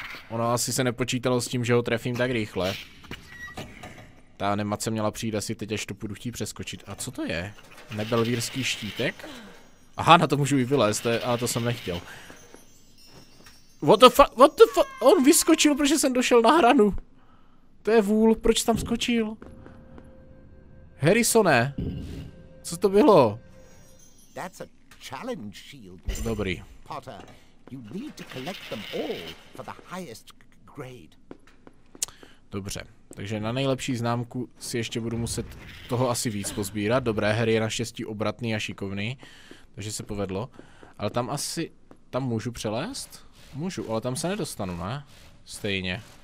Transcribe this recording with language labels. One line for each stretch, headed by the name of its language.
Czech: Ono asi se nepočítalo s tím, že ho trefím tak rychle. Ta animace měla přijít asi teď, až to půjdu chtít přeskočit. A co to je? Nebelvírský štítek? Aha, na to můžu i vylézt, ale to jsem nechtěl.
English: What the fuck?
Czech: On vyskočil, protože jsem došel na hranu. To je vůl, proč tam skočil? Harrisone, co to bylo?
English: That's a challenge shield.
Czech: Dobrý.
English: Potter, you need to collect them all for the highest grade.
Czech: Dobře, takže na nejlepší známku si ještě budu muset toho asi víc pozbírat. Dobré, Harry je naštěstí obratný a šikovný. Takže se povedlo. Ale tam asi, tam můžu přelézt? Můžu, ale tam se nedostanu, ne? Stejně.